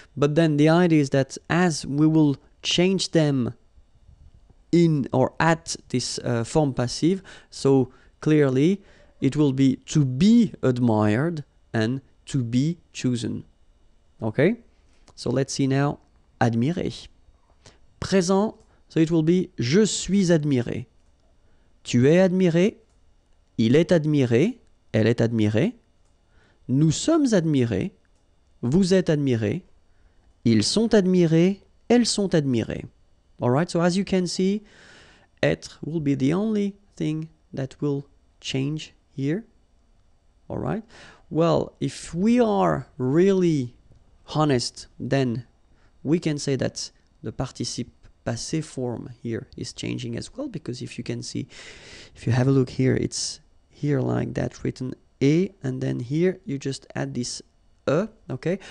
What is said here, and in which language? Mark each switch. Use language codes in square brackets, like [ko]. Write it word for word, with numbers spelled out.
[en] But then the idea is that as we will change them in or at this uh, form passive, so clearly it will be to be admired and to be chosen, okay? So let's see now, admirer. [fr] Présent, [en] so it will be [fr] je suis admiré. Tu es admiré, il est admiré, elle est admirée. Nous sommes admirés, vous êtes admirés, ils sont admirés, elles sont admirées. [en] All right, so as you can see, être will be the only thing that will change here. All right, well, if we are really honest, then we can say that the participe passé form here is changing as well, because if you can see, if you have a look here, it's here like that written et, and then here you just add this e, okay?